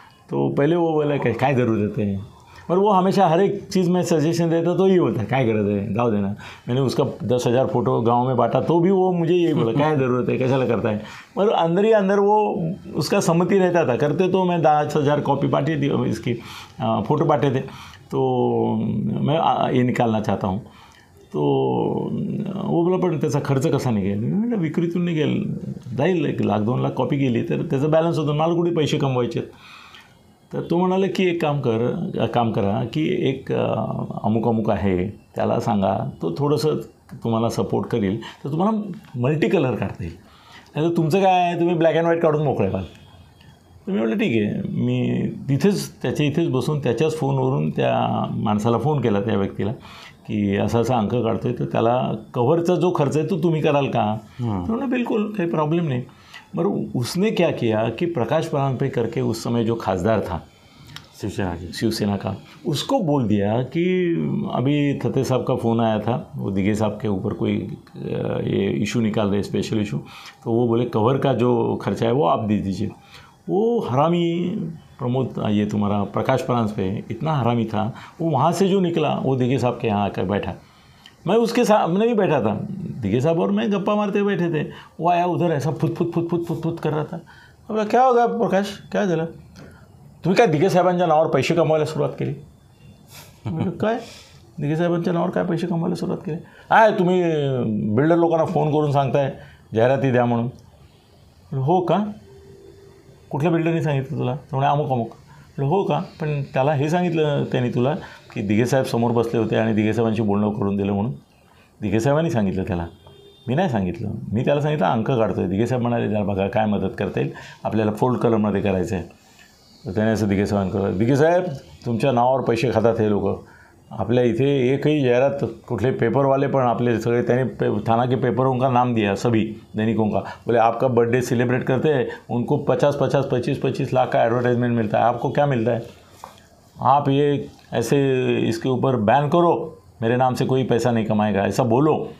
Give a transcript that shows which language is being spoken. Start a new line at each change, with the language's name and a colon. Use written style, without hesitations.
Hindi: तो पहले वो बोला कि क्या ज़रूरत रहते हैं, पर वो हमेशा हर एक चीज़ में सजेशन देता तो यही बोलता है क्या करते हैं गाँव देना। मैंने उसका 10,000 फोटो गाँव में बांटा तो भी वो मुझे यही बोला क्या ज़रूरत है कैसा करता है, पर अंदर ही अंदर वो उसका सम्मति रहता था, करते तो मैं 10,000 कॉपी बांटी थी इसकी, फ़ोटो बांटे थे, तो मैं ये निकालना चाहता हूँ।
Marathi: तो वो बोला पर त्याचा खर्च कसा निघेल, म्हणजे विक्रीतून निघेल, जाईल 1-2 लाख कॉपी गेली तर त्याचा बॅलन्स होतो, मला कुठे पैसे कमवायचे। तर तो म्हणाले की एक काम करा की एक अमुक अमुक आहे त्याला सांगा, तो थोडंसं तुम्हाला सपोर्ट करेल, तर तुम्हाला मल्टी कलर काढता येईल, नाही तर तुमचं काय आहे तुम्ही ब्लॅक अँड व्हाईट काढून मोकळेवाल। तर मी म्हटलं ठीक आहे, मी तिथेच त्याच्या इथेच बसून त्याच्याच फोनवरून त्या माणसाला फोन केला, त्या व्यक्तीला, की असं असं अंक काढतो आहे तर त्याला कव्हरचा जो खर्च आहे तो तुम्ही कराल का। तर म्हणलं बिलकुल काही प्रॉब्लेम नाही।
Hindi: मगर उसने क्या किया कि प्रकाश परांजपे करके उस समय जो खासदार था शिवसेना का, उसको बोल दिया कि अभी थत्ते साहब का फ़ोन आया था, वो दिगे साहब के ऊपर कोई ये इशू निकाल रहे स्पेशल इशू, तो वो बोले कवर का जो खर्चा है वो आप दे दीजिए। वो हरामी प्रमोद, ये तुम्हारा प्रकाश परांजपे इतना हरामी था, वो वहाँ से जो निकला वो दिगे साहब के यहाँ आकर बैठा, मैं उसके सामने भी बैठा था, दिगे साहब और मैं गप्पा मारते बैठे थे, वो आया उधर ऐसा फुत फुत फुत फुत फुत फुत कर रहा था। अब क्या होगा प्रकाश, क्या चला तुम्हें,
Marathi: क्या दिगे साहबांच्या नावावर पैसे कमवायला सुरुवात केली? काय दिगे साहबांच्या नावावर काय पैसे कमवायला सुरुवात केली? आय तुम्ही बिल्डर लोकांना फोन करून सांगताय जाहिराती द्या म्हणून। हो का, कुठल्या बिल्डरनी सांगितलं तुला? तर म्हणे अमुक अमुक। हो का, पण त्याला हे सांगितलं त्यांनी तुला की दिगे साहेब समोर बसले होते आणि दिगे साहेबांशी बोलणं करून दिलं म्हणून? दिगे साहेबांनी सांगितलं त्याला, मी नाही सांगितलं, मी त्याला सांगितलं अंक काढतो आहे। दिगे साहेब म्हणाले त्याला बघा काय मदत करता येईल आपल्याला, फोल्ड कलममध्ये करायचं आहे। तर त्याने असं दिगे साहेबांकडे, दिगे साहेब तुमच्या नावावर पैसे खातात हे लोक, आपल्या इथे एकही जाहिरात कुठले पेपरवाले पण आपले सगळे
Hindi: त्याने थाना के पेपरों का नाम दिया सभी दैनिकों का, बोले आपका बर्थडे सेलिब्रेट करते हैं उनको 50-50, 25-25 लाख का एडवर्टाइजमेंट मिलता है, आपको क्या मिलता है, आप ये ऐसे इसके ऊपर बैन करो, मेरे नाम से कोई पैसा नहीं कमाएगा, ऐसा बोलो।